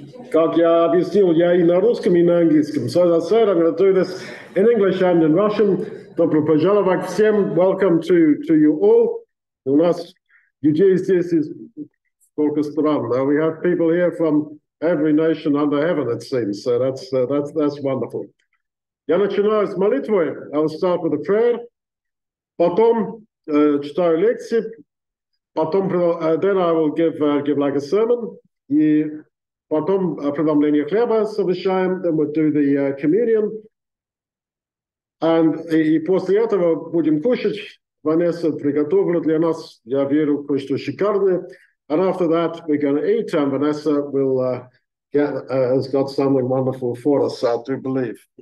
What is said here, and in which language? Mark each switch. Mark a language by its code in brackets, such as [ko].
[ru] Как я объяснил, я и на русском, и на английском. [en] So as I said, I'm going to do this in English and in Russian. [ru] Добро пожаловать всем. [en] Welcome to you all. [ru] У нас людей здесь из сколько стран. [en] Now we have people here from every nation under heaven, it seems. So that's wonderful. [ru] Я начинаю с молитвы. [en] I'll start with a prayer. [ru] Потом читаю лекции. Потом [en] then I will give like a sermon. [ru] И потом преломление хлеба совещаем. [en] Then we'll do the communion. And [ru] и после этого будем кушать. Ванесса приготовила для нас, я верю, кое-что шикарное. [en] And after that we're going to eat, and Ванесса will has got something wonderful for us, I do believe.